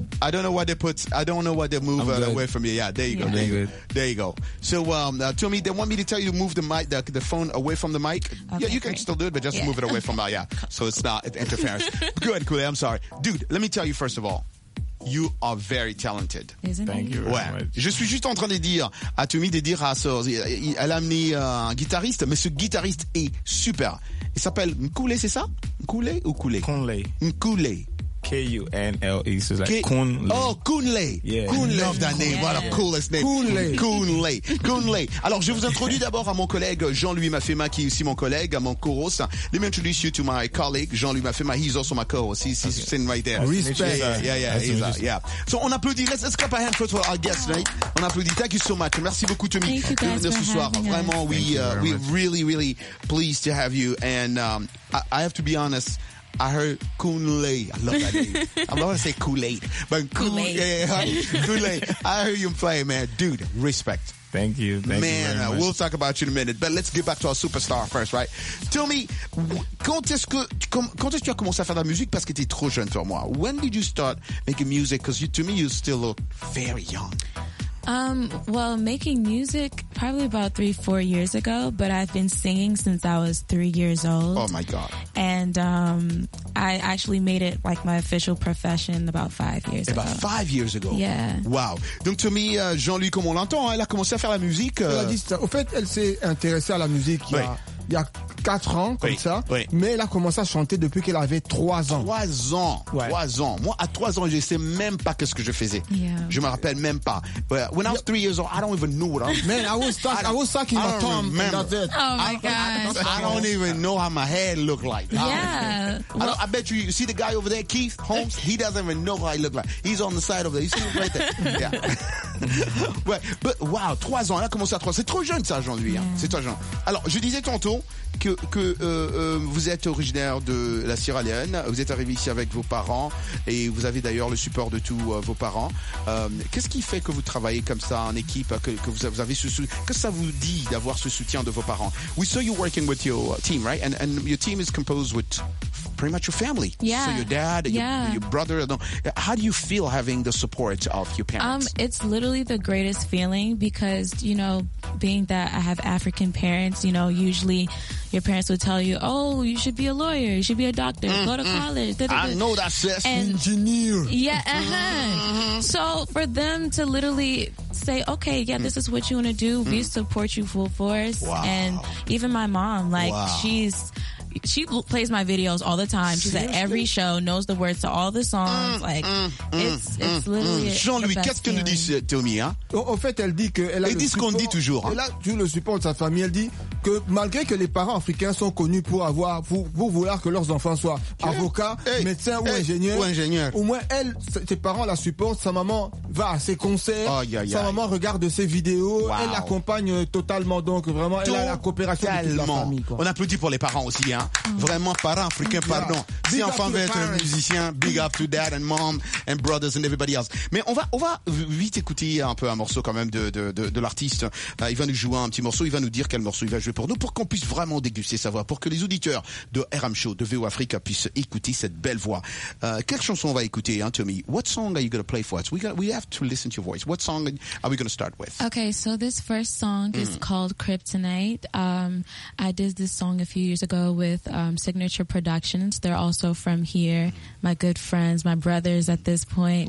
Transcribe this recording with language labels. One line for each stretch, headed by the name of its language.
English: I don't know why they move away from you. Yeah, there you go. So, Tommy, they want me to tell you to move the phone away from the mic. Okay, yeah, you can still do it, but just move it away from that. Yeah, so it's not interference. Good, Kunle. I'm sorry, dude. Let me tell you first of all, you are very talented. Thank you very much.
French: Je suis juste en train de dire à Tommy de dire à ça. Elle a amené un guitariste, mais ce guitariste est super. Il s'appelle Kunle, c'est ça? Kunle ou Kunle? Kunle. Kunle.
English: K-U-N-L-E, so it's like Kunle. Oh, Kunle. Yeah. Kunle, love that name. Yeah. What a coolest name. Kunle. Kunle. Kunle.
French: Alors, je vous introduis d'abord à mon collègue Jean-Louis Mafema, qui est aussi mon collègue, à mon co-host.
English: Let me introduce you to my colleague Jean-Louis Mafema. He's also my co-host. He's sitting right there. Respect. Yeah. So,
French: on applaudit.
English: Let's clap a hand for our guest, right?
French: On applaudit.
English: Thank you so much.
French: Merci beaucoup, Tommy.
English: Thank you, guys, for
French: ce soir.
English: Vraiment, we're really, really pleased to have you. And I have to be honest, I heard Kunle. I love that name. I'm not gonna say Kool-Aid, but Kool-Aid. Kool-Aid. I heard you play, man. Dude, respect. Thank you very much. We'll talk about you in a minute, but let's get back to our superstar first, right? Tell me,
French: quand est-ce que tu as commencé à faire de la musique parce que t'es trop jeune pour moi?
English: When did you start making music? Because to me, you still look very young. Well, making music probably about 3-4 years ago, but I've been singing since I was 3 years old. Oh my God. And I actually made it like my official profession about 5 years ago. About 5 years ago? Yeah. Wow.
French: Donc, Tommy, Jean-Louis, comme on l'entend, elle a commencé à faire la musique. Elle a dit ça. Au fait, elle s'est intéressée à la musique il y a 4 ans, mais elle a commencé à chanter depuis qu'elle avait 3 ans. 3 ans, ouais. 3 ans. Moi, à 3 ans, je ne sais même pas ce que je faisais.
English: Yeah.
French: Je ne me rappelle même pas.
English: But when I was 3 years old, I don't even know what I'm... Man, I was sucking my tongue, and that's it. Oh, my gosh. I don't even know how my hair looked like. Yeah. Well, I bet you see the guy over there, Keith Holmes? He doesn't even know how I look like. He's on the side over there. You see him right there? Yeah. But wow,
French: 3 ans. Elle a commencé à 3 ans. C'est trop jeune, ça, Jean-Louis. Yeah. C'est trop jeune. Alors, je disais tantôt que vous êtes originaire de la Sierra Leone, vous êtes arrivé ici avec vos parents et vous avez d'ailleurs le support de tous vos parents. Qu'est-ce qui fait que vous travaillez comme ça en équipe, que vous avez ce soutien, que ça vous dit d'avoir ce soutien de vos parents?
English: We saw you working with your team, right? And your team is composed with pretty much your family. Yeah. So your dad, your brother. How do you feel having the support of your parents? It's literally the greatest feeling because, you know, being that I have African parents, you know, usually your parents would tell you, oh, you should be a lawyer, you should be a doctor, go to college. I know that, sis. Engineer. Yeah, So for them to literally say, okay, yeah, this is what you want to do, we support you full force. Wow. And even my mom, like, she plays my videos all the time. She's Seriously? At every show, knows the words to all the songs. It's literally
French: Jean-Louis, qu'est-ce que nous dit Tommy, hein? Au fait, elle dit que elle a Et dit ce qu'on dit toujours. Elle a tout le support de sa famille. Elle dit que malgré que les parents africains sont connus pour avoir pour vouloir que leurs enfants soient avocats, médecins ou ingénieurs, au moins elle, ses parents la supportent. Sa maman va à ses concerts. Maman regarde ses vidéos.
English: Wow.
French: Elle l'accompagne totalement. Donc vraiment, elle a la coopération totalement. De toute la famille. Quoi. On applaudit pour les parents aussi. Hein. Vraiment parents africains, pardon. Si enfant veut être un musicien,
English: big up to dad and mom and brothers and everybody else.
French: Mais on va vite écouter un peu un morceau quand même de l'artiste. Il va nous jouer un petit morceau, il va nous dire quel morceau il va jouer pour nous, pour qu'on puisse vraiment déguster sa voix, pour que les auditeurs de RM Show, de VO Africa puissent écouter cette belle voix. Quelle chanson on va écouter, hein, Tommy?
English: What song are you going to play for us? We have to listen to your voice. What song are we going to start with? Okay, so this first song is called Kryptonite. I did this song a few years ago with Signature Productions. They're also from here, my good friends, my brothers at this point.